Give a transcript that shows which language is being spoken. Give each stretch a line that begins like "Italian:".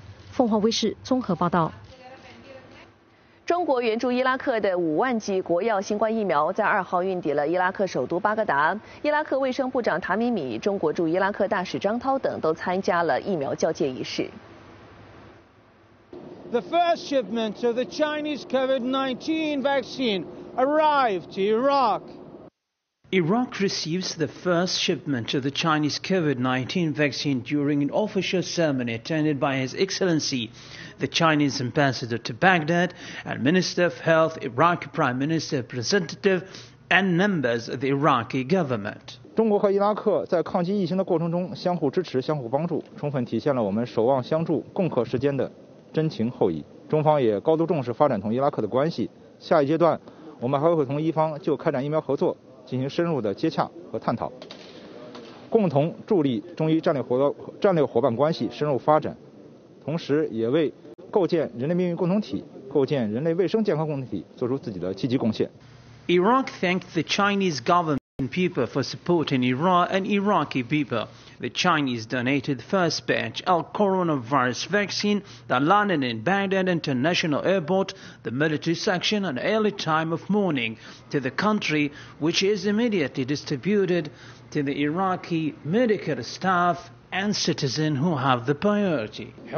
Chinese: 凤凰卫视综合报道。中国援助伊拉克的50000剂国药新冠疫苗在2号运抵了伊拉克首都巴格达。伊拉克卫生部长塔米米、中国驻伊拉克大使张涛等都参加了疫苗交接仪式。
English: The first shipment of the Chinese COVID-19 vaccine arrived to Iraq. Iraq receives the first shipment of the Chinese COVID-19 vaccine during an official ceremony attended by His Excellency. The Chinese ambassador to Baghdad and Minister of Health, Iraqi Prime Minister representative, and members of the Iraqi government.
Chinese: 中国和伊拉克在抗击疫情的过程中相互支持、相互帮助，充分体现了我们守望相助、共克时艰的真情厚谊。中方也高度重视发展同伊拉克的关系。下一阶段，我们还会同伊方就开展疫苗合作进行深入的接洽和探讨，共同助力中伊战略伙伴关系深入发展。同时也为构建人类命运共同体构建人类卫生健康共同体做出自己的积极贡献。
English: Iraq thanked the Chinese government and people for supporting Iran and Iraqi people. The Chinese donated the first batch of coronavirus vaccine that landed in Baghdad International Airport, the military section, at an early time of morning to the country, which is immediately distributed to the Iraqi medical staff and citizens who have the priority.